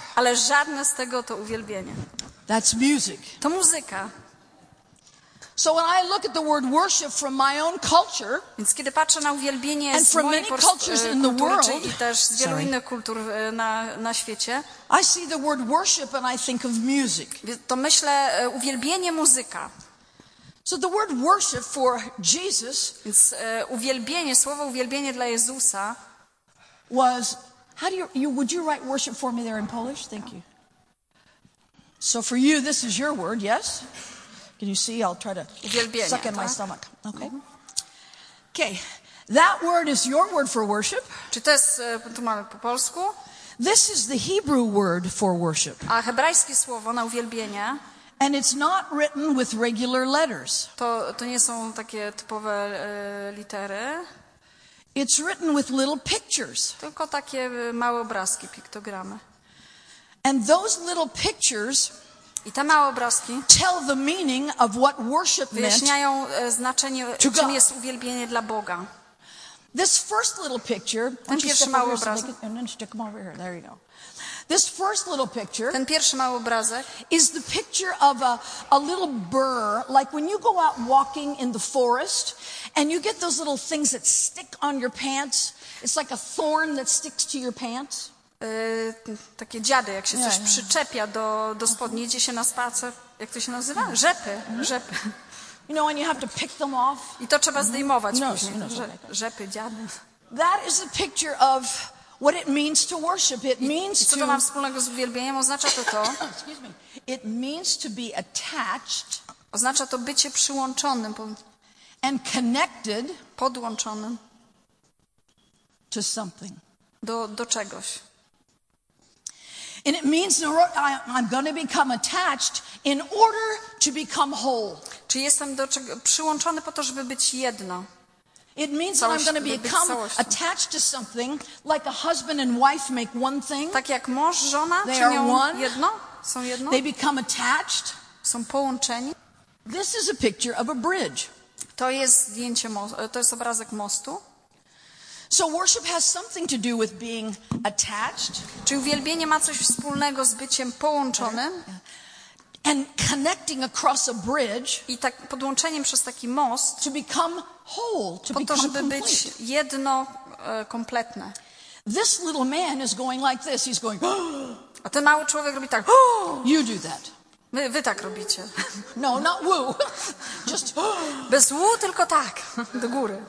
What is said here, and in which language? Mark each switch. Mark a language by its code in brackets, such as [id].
[pl] Ale żadne z tego to uwielbienie. [en] That's music. [pl] To muzyka. [en] So when I look at the word worship from my own culture, [pl] więc kiedy patrzę na uwielbienie z mojej kultury i też z wielu innych kultur na świecie, [en] I see the word worship and I think of music. [pl] To myślę uwielbienie muzyka. [en] So the word worship for Jesus, [pl] więc uwielbienie, słowo uwielbienie dla Jezusa, [en] was, how do you, would you write worship for me there in Polish? Thank you. So for you, this is your word, yes? Can you see? I'll try to suck in my stomach. Okay. Okay. That word is your word for worship. [pl] Czy to jest, tu mamy po polsku? [en] This is the Hebrew word for worship. [pl] A hebrajskie słowo na uwielbienie. [en] And it's not written with regular letters. [pl] To nie są takie typowe litery. [en] It's written with little pictures. [pl] Tylko takie małe obrazki, piktogramy. [en] And those little pictures, [pl] i te małe obrazki, [en] tell the meaning of what worship meant. [pl] Wyjaśniają znaczenie, czym jest uwielbienie dla Boga. [en] This first little picture, [pl] ten pierwszy mały obrazek, [en] and then stick them over here. There you go. This first little picture, [pl] ten pierwszy mały obrazek, [en] is the picture of a little burr, like when you go out walking in the forest and you get those little things that stick on your pants. It's like a thorn that sticks to your pants. [pl] Takie dziady, jak się coś przyczepia do spodni, idzie się na spacer. Jak to się nazywa? Rzepy. Rzepy. [en] You know, and you have to pick them off. [pl] I to trzeba zdejmować później. Rzepy, dziady. [en] That is a picture of what it means to worship. It means to... [pl] Co to ma wspólnego z uwielbieniem? Oznacza to. [en] Excuse me. It means to be attached. [pl] Oznacza to bycie przyłączonym. [en] And connected. [pl] Podłączonym. [en] To something. [pl] Do czegoś. [en] And it means I'm going to become attached in order to become whole. [pl] Czy jestem do czego przyłączony po to, żeby być jedno? [en] It means that I'm going to become attached to something, like a husband and wife make one thing. [pl] Tak jak mąż, żona czynią jedno, są jedno. [en] They become attached. [pl] Są połączeni. [en] This is a picture of a bridge. [pl] To jest zdjęcie, to jest obrazek mostu. [en] So worship has something to do with being attached. [pl] Czy uwielbienie ma coś wspólnego z byciem połączonym? [en] And connecting across a bridge. [pl] I tak podłączeniem przez taki most. [en] To become whole, to [pl] po to, żeby być jedno kompletne. [en] This little man is going like this. He's going. [pl] A ten mały człowiek robi tak. [en] You do that. [pl] Wy tak robicie. [en] No, not woo. Just [pl] bez woo, tylko tak do góry.